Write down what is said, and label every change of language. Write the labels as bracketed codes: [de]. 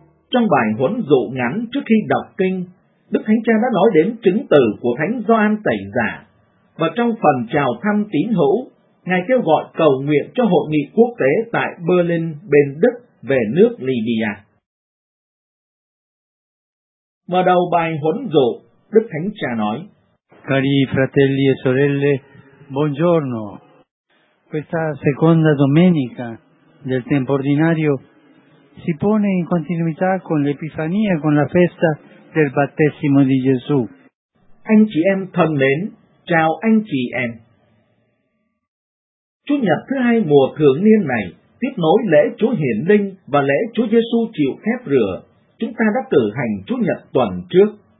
[vi] Trong bài huấn dụ ngắn trước khi đọc kinh, Đức Thánh Cha đã nói đến chứng từ của Thánh Gioan Tẩy Giả, và trong phần chào thăm tín hữu, Ngài kêu gọi cầu nguyện cho hội nghị quốc tế tại Berlin bên Đức về nước Libya. Mở đầu bài huấn dụ, Đức Thánh Cha nói: [it] Cari fratelli e sorelle, buongiorno. Questa seconda domenica del tempo ordinario si pone in continuità con l'Epifania, con la festa del battesimo di Gesù. [vi] Anh chị em thân mến, chào anh chị em. Chủ nhật thứ hai mùa thường niên này tiếp nối lễ Chúa Hiển Linh và lễ Chúa Giêsu chịu phép rửa chúng ta đã cử hành Chủ nhật tuần trước.